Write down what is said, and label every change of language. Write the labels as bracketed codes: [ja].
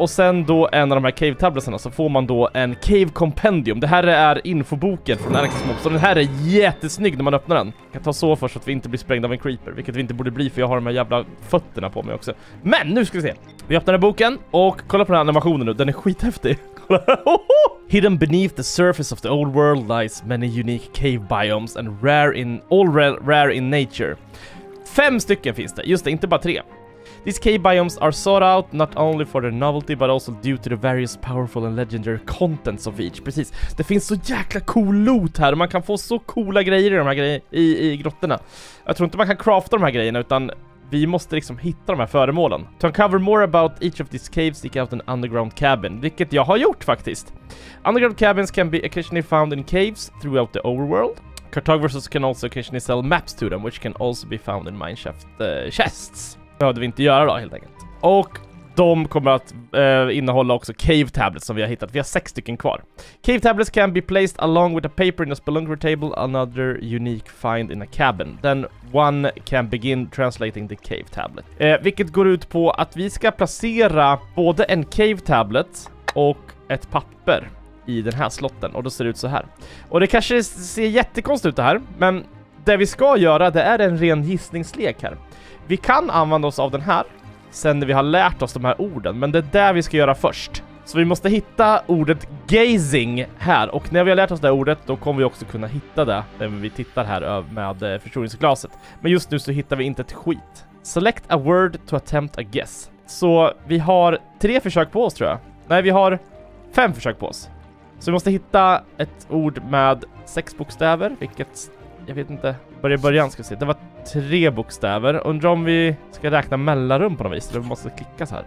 [sv] Och sen då en av de här cave-tablerna så får man då en cave compendium. Det här är infoboken från Alexas mob. Så den här är jättesnygg när man öppnar den. Jag kan ta så först så att vi inte blir sprängda av en creeper. Vilket vi inte borde bli för jag har de här jävla fötterna på mig också. Men nu ska vi se. Vi öppnar den här boken och kolla på den här animationen nu. Den är skithäftig. [en] Hidden beneath the surface of the old world lies many unique cave biomes and rare in nature. [sv] 5 stycken finns det. Just det, inte bara 3. [en] These cave biomes are sought out not only for their novelty but also due to the various powerful and legendary contents of each. [sv] Precis. Det finns så jäkla cool loot här. Man kan få så coola grejer i de här grejerna i grottorna. Jag tror inte man kan crafta de här grejerna utan vi måste liksom hitta de här föremålen. [en] To uncover more about each of these caves, seek out an underground cabin. [sv] Vilket jag har gjort faktiskt. [en] Underground cabins can be occasionally found in caves throughout the overworld. Cartographers can also occasionally sell maps to them, which can also be found in mineshaft chests. [sv] Behövde vi inte göra då, helt enkelt. Och de kommer att innehålla också cave tablets som vi har hittat. Vi har 6 stycken kvar. [en] Cave tablets can be placed along with a paper in a spelunker table, another unique find in a cabin. Then one can begin translating the cave tablet. [sv] Vilket går ut på att vi ska placera både en cave tablet och ett papper i den här slotten. Och då ser det ut så här. Och det kanske ser jättekonstigt ut det här. Men det vi ska göra, det är en ren gissningslek här. Vi kan använda oss av den här sen när vi har lärt oss de här orden. Men det är där vi ska göra först. Så vi måste hitta ordet gazing här. Och när vi har lärt oss det ordet, då kommer vi också kunna hitta det när vi tittar här med förstoringsglaset. Men just nu så hittar vi inte ett skit. [en] Select a word to attempt a guess. [sv] Så vi har 3 försök på oss, tror jag. Nej, vi har 5 försök på oss. Så vi måste hitta ett ord med 6 bokstäver. Vilket, jag vet inte. Börja början ska vi se. Det var 3 bokstäver. Undrar om vi ska räkna mellanrum på något vis. Eller vi måste klicka så här.